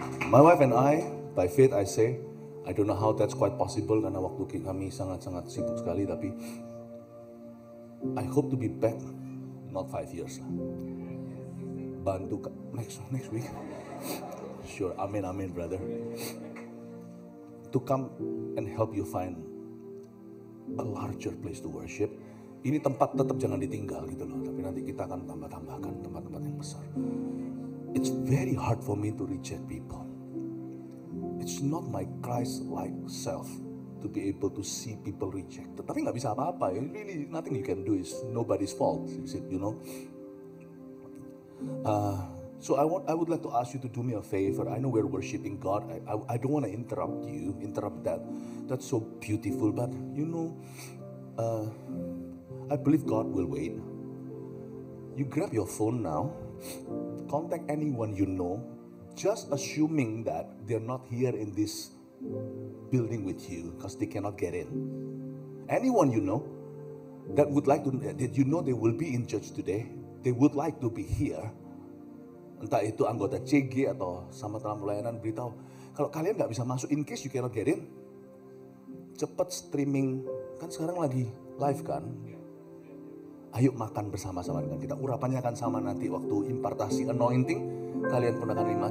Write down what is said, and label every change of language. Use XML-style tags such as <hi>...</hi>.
<en>My wife and I, by faith I say, I don't know how that's quite possible,</en> <id>karena waktu kami sangat-sangat sibuk sekali, tapi</id> <en>I hope to be back, not 5 years lah. Bantu next week. Sure, amen brother. To come and help you find a larger place to worship.</en> <id>Ini tempat tetap jangan ditinggal gitu loh, tapi nanti kita akan tambah-tambahkan tempat-tempat yang besar.</id> <en>It's very hard for me to reject people. It's not my Christ-like self to be able to see people reject.</en> <id>Tapi gak bisa apa-apa,</id> <en>really nothing you can do, is nobody's fault, you know. So I would like to ask you to do me a favor. I know we're worshiping God. I don't want to interrupt that. That's so beautiful, but you know, I believe God will wait. You grab your phone now, contact anyone you know, just assuming that they're not here in this building with you because they cannot get in. Anyone you know that would like to, that you know they will be in church today, they would like to be here.</en> <id>Entah itu anggota CG atau sama dalam pelayanan, beritahu. Kalau kalian gak bisa masuk,</id> <en>in case you cannot get in,</en> <id>cepat streaming. Kan sekarang lagi live kan? Ayo makan bersama-sama dengan kita. Urapannya akan sama nanti waktu impartasi anointing. Kalian pun akan lima.</id>